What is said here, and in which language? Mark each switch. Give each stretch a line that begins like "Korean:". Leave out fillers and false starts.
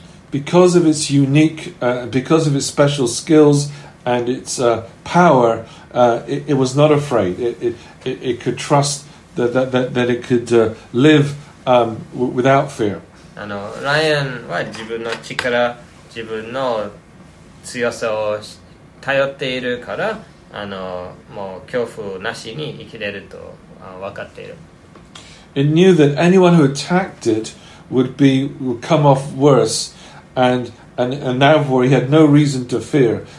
English: Because of its unique, because of its special skills and its power, it was not afraid. It could trust that it could live without fear.
Japanese: ライオンは自分の力、自分の強さを頼っているから、もう恐怖なしに生きれると分かっている。
English: It knew that anyone who attacked it would come off worse, and therefore he had no reason to fear.